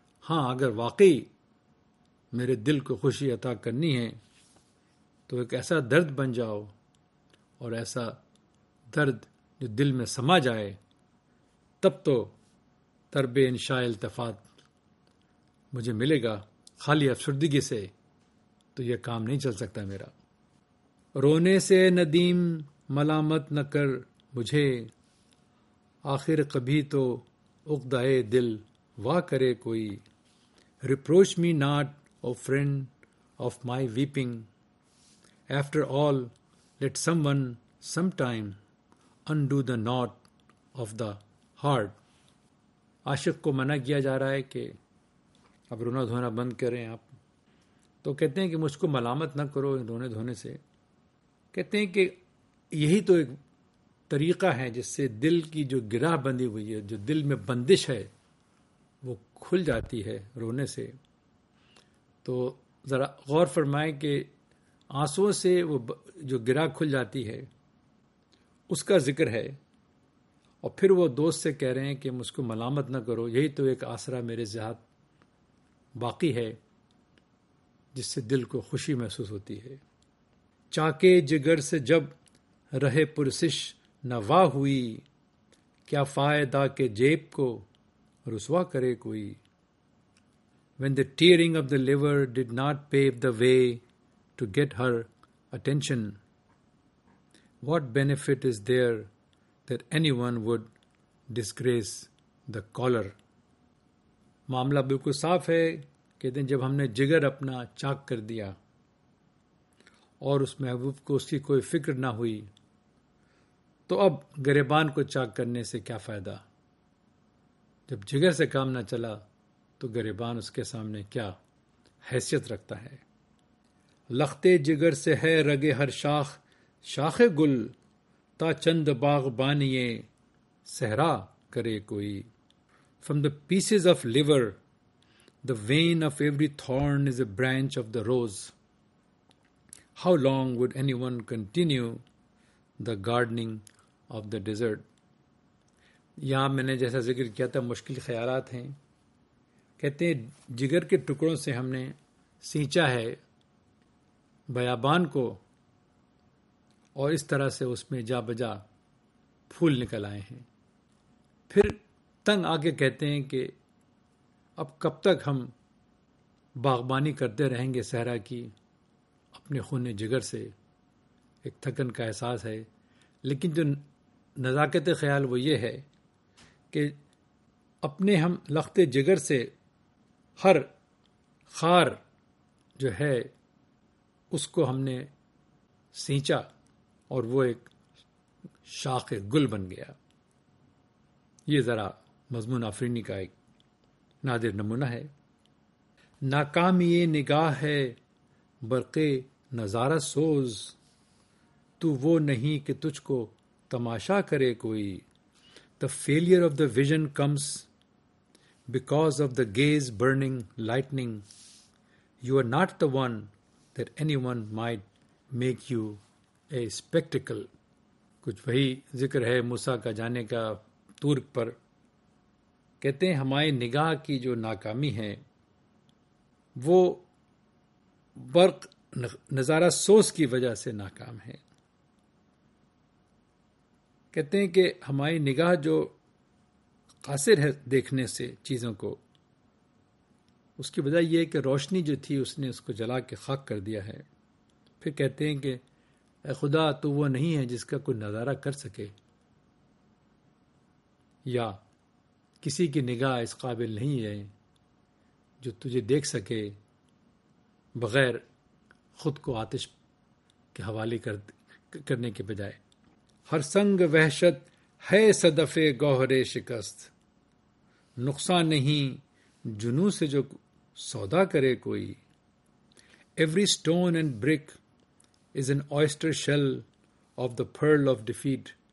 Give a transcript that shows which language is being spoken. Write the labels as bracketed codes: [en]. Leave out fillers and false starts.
[ur] ہاں اگر واقعی میرے دل کو خوشی عطا کرنی ہے تو ایک ایسا درد بن جاؤ اور ایسا درد جو دل میں سما جائے, تب تو ترب انشاء التفات مجھے ملے گا. خالی افسردگی سے تو یہ کام نہیں چل سکتا میرا. رونے سے ندیم ملامت نہ کر مجھے, آخر کبھی تو عقدہ دل وا کرے کوئی. [en] Reproach me not O friend of my weeping, after all let someone some time undo the knot of the heart. [ur] عاشق کو منع کیا جا رہا ہے کہ اب رونا دھونا بند کریں آپ, تو کہتے ہیں کہ مجھ کو ملامت نہ کرو رونے دھونے سے. کہتے ہیں کہ یہی تو ایک طریقہ ہے جس سے دل کی جو گرہ بندی ہوئی ہے, جو دل میں بندش ہے, وہ کھل جاتی ہے رونے سے. تو ذرا غور فرمائیں کہ آنسوؤں سے وہ جو گرہ کھل جاتی ہے اس کا ذکر ہے, اور پھر وہ دوست سے کہہ رہے ہیں کہ مجھ کو ملامت نہ کرو, یہی تو ایک آسرا میرے ذات باقی ہے جس سے دل کو خوشی محسوس ہوتی ہے. چاکے جگر سے جب رہے پرسش نوا ہوئی, کیا فائدہ کے جیب کو رسوا کرے کوئی. [en] When the tearing of the liver did not pave the way to get her attention, what benefit is there that anyone would disgrace the collar. [ur] معاملہ بالکل صاف ہے. کہتے ہیں جب ہم نے جگر اپنا چاک کر دیا اور اس محبوب کو اس کی کوئی فکر نہ ہوئی, تو اب گریبان کو چاک کرنے سے کیا فائدہ. جب جگر سے کام نہ چلا تو گریبان اس کے سامنے کیا حیثیت رکھتا ہے. لخت جگر سے ہے رگے ہر شاخ شاخ گل, تا چند باغ بانیے صحرا کرے کوئی. [en] From the pieces of liver the vein of every thorn is a branch of the rose, how long would anyone continue the gardening of the desert. [ur] یہاں میں نے جیسا ذکر کیا تھا مشکل خیالات ہیں. کہتے ہیں جگر کے ٹکڑوں سے ہم نے سینچا ہے بیابان کو اور اس طرح سے اس میں جا بجا پھول نکل آئے ہیں. پھر تنگ آ کے کہتے ہیں کہ اب کب تک ہم باغبانی کرتے رہیں گے صحرا کی اپنے خون جگر سے. ایک تھکن کا احساس ہے, لیکن جو نزاکت خیال وہ یہ ہے کہ اپنے ہم لخت جگر سے ہر خار جو ہے اس کو ہم نے سینچا اور وہ ایک شاخ گل بن گیا. یہ ذرا مضمون آفرینی کا ایک نادر نمونہ ہے. ناکام یہ نگاہ ہے برق نظارہ سوز, تو وہ نہیں کہ تجھ کو تماشا کرے کوئی. [en] The failure of the vision comes because of the gaze burning lightning, you are not the one that anyone might make you a spectacle. [ur] کچھ وہی ذکر ہے موسیٰ کا جانے کا طور پر. کہتے ہیں ہماری نگاہ کی جو ناکامی ہے وہ برق نظارہ سوز کی وجہ سے ناکام ہے. کہتے ہیں کہ ہماری نگاہ جو قاصر ہے دیکھنے سے چیزوں کو, اس کی وجہ یہ ہے کہ روشنی جو تھی اس نے اس کو جلا کے خاک کر دیا ہے. پھر کہتے ہیں کہ اے خدا تو وہ نہیں ہے جس کا کوئی نظارہ کر سکے, یا کسی کی نگاہ اس قابل نہیں ہے جو تجھے دیکھ سکے بغیر خود کو آتش کے حوالے کرنے کے بجائے. ہر سنگ وحشت ہے صدف گوہرے شکست, نقصان نہیں جنوں سے جو سودا کرے کوئی. [en] Every stone and brick is an oyster shell of the pearl of defeat.